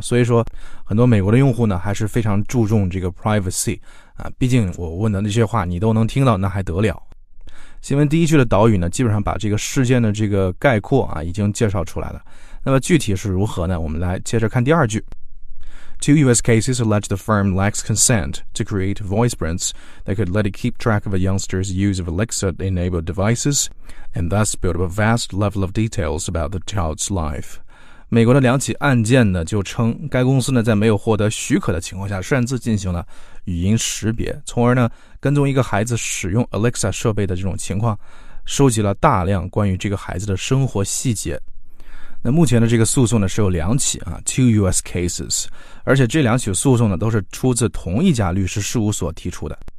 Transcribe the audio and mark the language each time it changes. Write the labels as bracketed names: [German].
[Chinese] 所以说很多美国的用户呢还是非常注重这个 privacy 啊，毕竟我问的那些话你都能听到那还得了。新闻第一句的导语呢基本上把这个事件的这个概括啊已经介绍出来了，那么具体是如何呢，我们来接着看第二句。 [English] Two U.S. cases allege the firm lacks consent to create voice prints that could let it keep track of a youngster's use of Alexa-enabled devices and thus build up a vast level of details about the child's life. [Chinese] 美国的两起案件呢，就称该公司呢在没有获得许可的情况下擅自进行了语音识别，从而呢跟踪一个孩子使用 Alexa 设备的这种情况，收集了大量关于这个孩子的生活细节。那目前的这个诉讼呢是有两起啊 ， [English] two U.S. cases， [Chinese] 而且这两起诉讼呢都是出自同一家律师事务所提出的。